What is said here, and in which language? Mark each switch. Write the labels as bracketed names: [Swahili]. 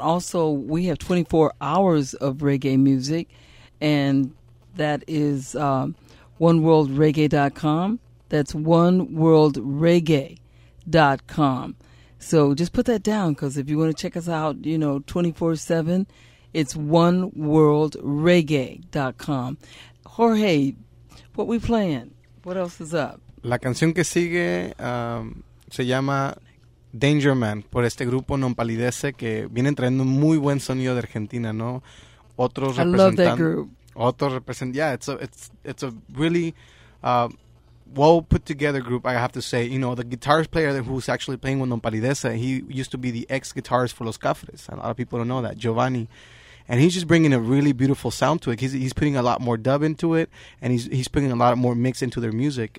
[English] Also, we have 24 hours of reggae music, and that is oneworldreggae.com. That's oneworldreggae.com. So just put that down, because if you want to check us out, you know, 24/7, it's oneworldreggae.com. Jorge, what we playing? What else is up? [Spanish] La canción que sigue se llama Danger Man, por este grupo Non Palidece, que vienen trayendo muy buen sonido de Argentina, ¿no? Otros representantes. [English] I love that group. [Spanish] Otros representantes. [English] Yeah, it's a really well put together group, I have to say. You know, the guitarist player who's actually playing with Non Palidece, he used to be the ex guitarist for Los Cafres. A lot of people don't know that, Giovanni. And he's just bringing a really beautiful sound to it. He's putting a lot more dub into it, and he's putting a lot more mix into their music.